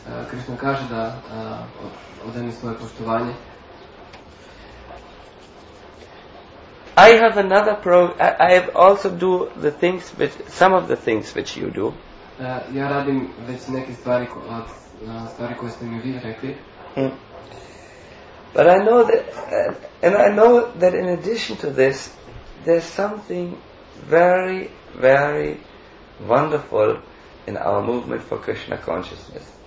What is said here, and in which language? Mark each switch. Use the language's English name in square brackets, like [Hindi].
[Serbian] Krishna kaže da odajem svoje poštovanje. [English] I have another I also do the things which some of the things which you do. [Serbian] Ja radim već neke stvari od stvari koje ste mi vi rekli. [English] But I know that, and I know that in addition to this, there's something very, very wonderful in our movement for Krishna consciousness.